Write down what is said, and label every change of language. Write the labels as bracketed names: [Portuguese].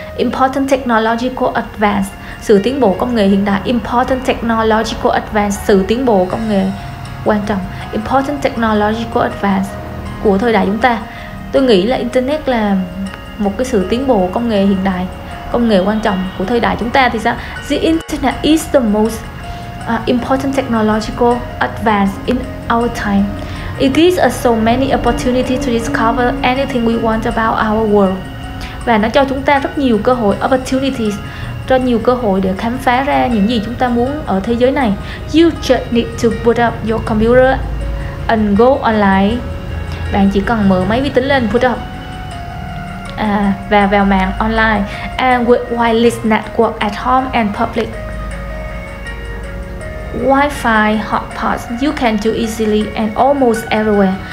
[English] Important technological advance, [Vietnamese] sự tiến bộ công nghệ hiện đại. [English] Important technological advance, [Vietnamese] sự tiến bộ công nghệ quan trọng. [English] Important technological advance [Vietnamese] của thời đại chúng ta. Tôi nghĩ là internet là một cái sự tiến bộ công nghệ hiện đại, công nghệ quan trọng của thời đại chúng ta thì sao? [English] The internet is the most important technological advance in our time. It gives us so many opportunities to discover anything we want about our world. [Vietnamese] Và nó cho chúng ta rất nhiều cơ hội, opportunities, cho nhiều cơ hội để khám phá ra những gì chúng ta muốn ở thế giới này. [English] You just need to put up your computer and go online. [Vietnamese] Bạn chỉ cần mở máy vi tính lên, put up và vào mạng online. [English] And with wireless network at home and public Wi-Fi hotspots, you can do easily and almost everywhere.